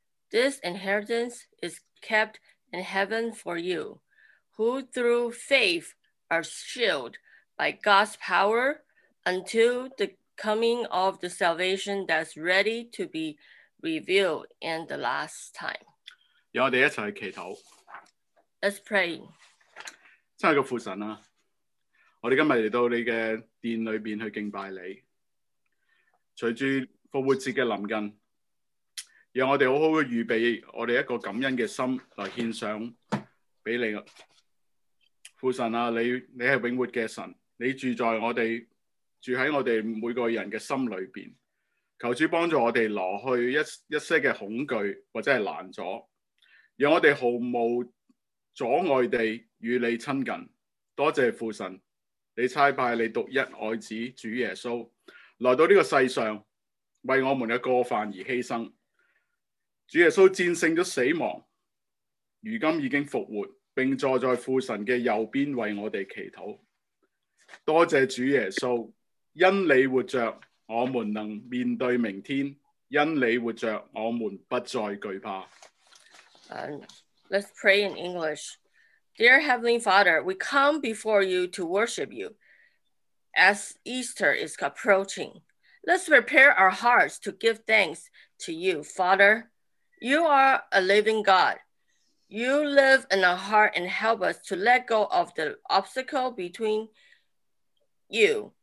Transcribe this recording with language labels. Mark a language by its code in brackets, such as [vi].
[en] This inheritance is kept in heaven for you, who through faith are shielded by God's power until the coming of the salvation that's ready to be revealed in the last time. [zh] 让我们一起祈祷。 [en] Let's pray. [zh] 亲爱的父神，我们今天来到你的殿里面去敬拜你。随着复活节的临近，让我们好好的预备我们一个感恩的心来献上给你。父神，你是永活的神，你住在我们住在我们每个人的心里面，求主帮助我们挪去一些的恐惧或者是拦阻，让我们毫无阻碍地与你亲近。多谢父神，你差派你独一爱子主耶稣来到这个世上，为我们的过犯而牺牲。主耶稣战胜了死亡，如今已经复活，并坐在父神的右边为我们祈祷。多谢主耶稣，因你活着，我们能面对明天；因你活着，我们不再惧怕。 [en] Let's pray in English. Dear Heavenly Father, we come before you to worship you. As Easter is approaching, let's prepare our hearts to give thanks to you, Father. You are a living God. You live in our heart and help us to let go of the obstacle between you.